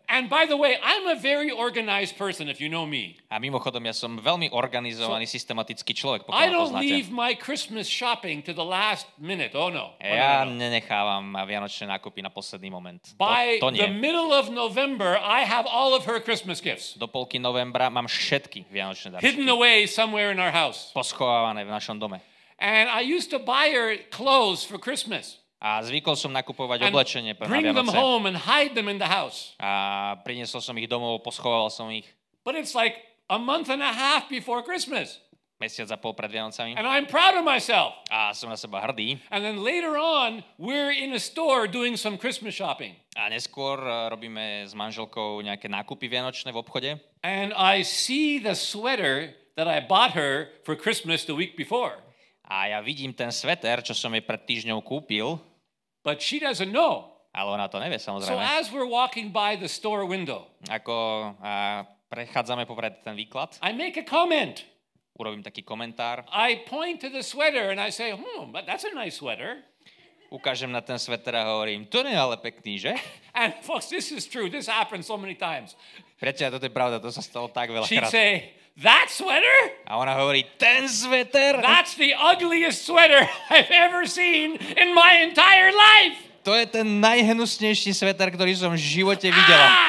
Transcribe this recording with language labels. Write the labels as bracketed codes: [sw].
[en] And by the way, I'm a very organized person if you know me. [sk] A mimochodom, ja som veľmi organizovaný, systematický človek, pokiaľ [en] I don't leave my Christmas shopping to the last minute. Oh no. [sk] Nenechávam vianočné nákupy na posledný moment. By to nie. [en] The middle of November, I have all of her Christmas gifts. [sk] Do polky novembra mám všetky vianočné darčeky. [en] Hidden away somewhere in our house. [sk] Poschovávané v našom dome. [en] And I used to buy her clothes for Christmas. [sk] A zvykol som nakupovať oblečenie pre Vianoce. [en] Them home and hide them in the house. [sk] A priniesol som ich domov, poschoval som ich. [en] But it's like a month and a half before Christmas. [sk] Mesiac a pol pred Vianocami. [en] And I'm proud of myself. [sk] A som na seba hrdý. [en] And then later on, we're in a store doing some Christmas shopping. [sk] A neskôr robíme s manželkou nejaké nákupy vianočné v obchode. [en] And I see the sweater that I bought her for Christmas the week before. [sk] A ja vidím ten sveter, čo som jej pred týždňou kúpil. [en] But she doesn't know. [sk] Ale ona to nevie, samozrejme. [en] So as we're walking by the store window. [sk] Ako prechádzame popred ten výklad. [en] I make a comment. [sk] Urobím taký komentár. [en] I point to the sweater and I say, but that's a nice sweater. [sk] Ukážem na ten sveter a hovorím, to nie je ale pekný, že? [en] And folks, this is true. This happened so many times. [sk] Prečo ja, toto je pravda, to sa stalo tak veľa krát. [en] That sweater? [sk] A ona hovorí, ten sweater? [en] That's the ugliest sweater I've ever seen in my entire life. [sk] To je ten najhnusnejší sweater, ktorý som v živote videla.